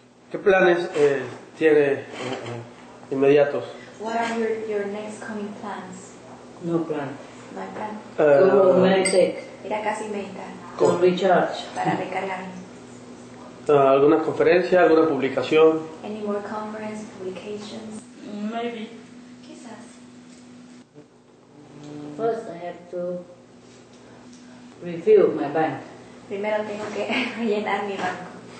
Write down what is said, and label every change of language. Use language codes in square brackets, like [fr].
[es] ¿Qué planes tiene inmediatos? [en] What are your next coming plans? No plan. No plan. Go meditate. [es] Ir a casa y meditar. Con recharge. Para recargar. ¿Alguna conferencia, alguna publicación? [en] Any more conference, publications? Maybe. [es] Quizás. [en] First, I have to refill my bank. [es] Primero tengo que llenar mi banco.